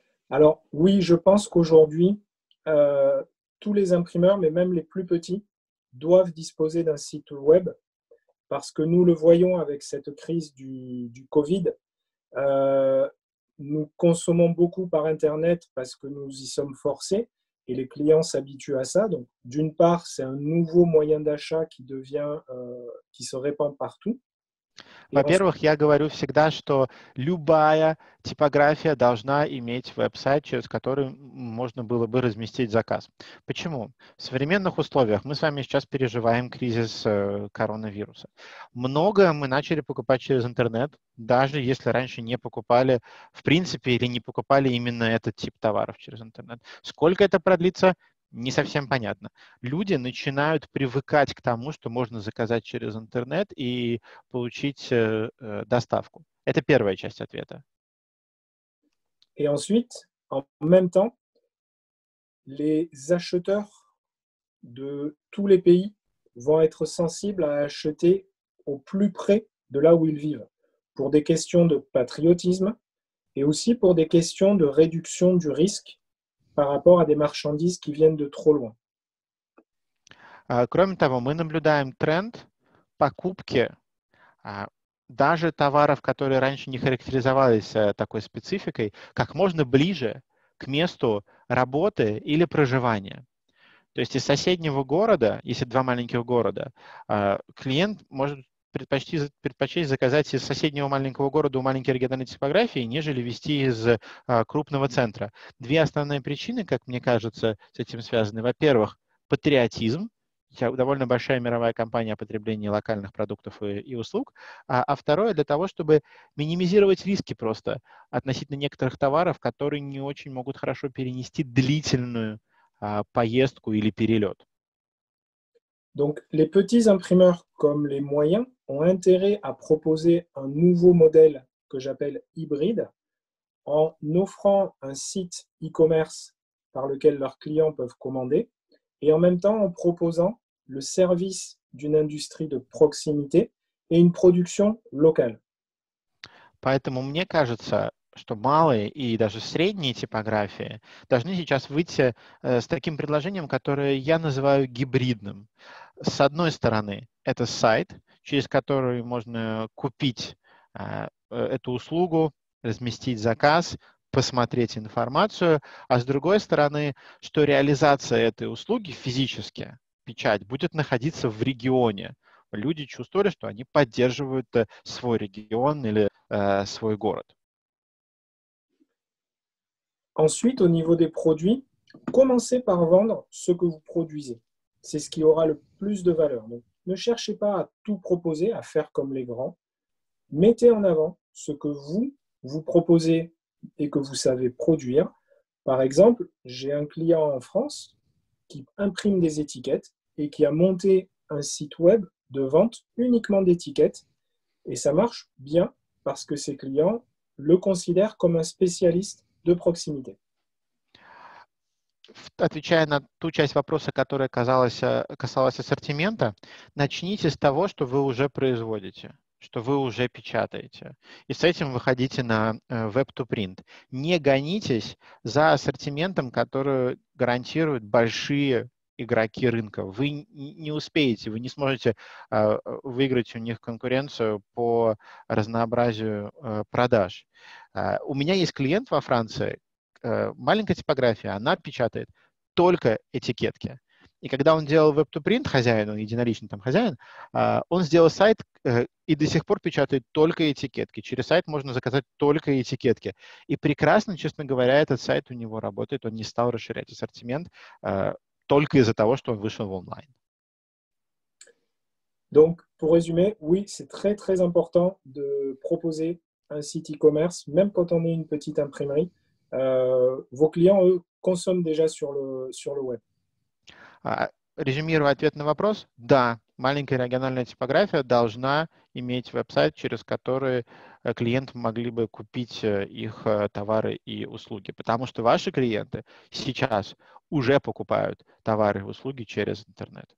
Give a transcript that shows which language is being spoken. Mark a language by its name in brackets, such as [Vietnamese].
[French] Alors, oui, je pense qu'aujourd'hui, tous les imprimeurs, mais même les plus petits, doivent disposer d'un site web parce que nous le voyons avec cette crise du Covid. Nous consommons beaucoup par Internet parce que nous y sommes forcés. Et les clients s'habituent à ça. Donc, d'une part, c'est un nouveau moyen d'achat qui devient, qui se répand partout. [Russian] Во-первых, я говорю всегда, что любая типография должна иметь веб-сайт, через который можно было бы разместить заказ. Почему? В современных условиях мы с вами сейчас переживаем кризис коронавируса. Многое мы начали покупать через интернет, даже если раньше не покупали, в принципе, или не покупали именно этот тип товаров через интернет. Сколько это продлится? Не совсем понятно. Люди начинают привыкать к тому, что можно заказать через интернет и получить доставку. Это первая часть ответа. [French] Et ensuite, en même temps, les acheteurs de tous les pays vont être sensibles à acheter au plus près de là où ils vivent, pour des questions de patriotisme et aussi pour des questions de réduction du risque par rapport à des marchandises qui viennent de trop loin. [Russian] Кроме того, мы наблюдаем тренд покупки даже товаров, которые раньше не характеризовались такой спецификой, как можно ближе к месту работы или проживания. То есть из соседнего города, если два маленьких города, клиент может предпочесть заказать из соседнего маленького города у маленькой региональной типографии, нежели везти из крупного центра. Две основные причины, как мне кажется, с этим связаны. Во-первых, патриотизм. Я довольно большая мировая компания о потреблении локальных продуктов и услуг. А второе, для того, чтобы минимизировать риски просто относительно некоторых товаров, которые не очень могут хорошо перенести длительную поездку или перелет. [French] Donc, les petits imprimeurs comme les moyens ont intérêt à proposer un nouveau modèle que j'appelle hybride en offrant un site e-commerce par lequel leurs clients peuvent commander et en même temps en proposant le service d'une industrie de proximité et une production locale. [Russian] Поэтому мне кажется, что малые и даже средние типографии должны сейчас выйти с таким предложением, которое я называю гибридным. С одной стороны, это сайт, через который можно купить эту услугу, разместить заказ, посмотреть информацию, а с другой стороны, что реализация этой услуги физически, печать, будет находиться в регионе. Люди чувствовали, что они поддерживают свой регион или свой город. [French] Ensuite, au niveau des produits, commencez par vendre ce que vous produisez. C'est ce qui aura le plus de valeur. Donc, ne cherchez pas à tout proposer, à faire comme les grands. Mettez en avant ce que vous, vous proposez et que vous savez produire. Par exemple, j'ai un client en France qui imprime des étiquettes et qui a monté un site web de vente uniquement d'étiquettes. Et ça marche bien parce que ses clients le considèrent comme un spécialiste de proximité. [Russian] Отвечая на ту часть вопроса, которая касалась ассортимента, начните с того, что вы уже производите, что вы уже печатаете. И с этим выходите на web-to-print. Не гонитесь за ассортиментом, который гарантируют большие игроки рынка. Вы не успеете, вы не сможете выиграть у них конкуренцию по разнообразию продаж. У меня есть клиент во Франции, маленькая типография, она печатает только этикетки. И когда он делал web-to-print, хозяин, он единоличный там хозяин, он сделал сайт и до сих пор печатает только этикетки. Через сайт можно заказать только этикетки. И прекрасно, честно говоря, этот сайт у него работает, он не стал расширять ассортимент только из-за того, что он вышел в онлайн. [French] Donc, pour résumer, oui, c'est très très important de proposer un site e-commerce, même quand on est une petite imprimerie. Vos clients, eux, consomment déjà sur le web. [Russian] Резюмирую ответ на вопрос. Да, маленькая региональная типография должна иметь веб-сайт, через который клиент могли бы купить их товары и услуги. Потому что ваши клиенты сейчас уже покупают товары и услуги через интернет.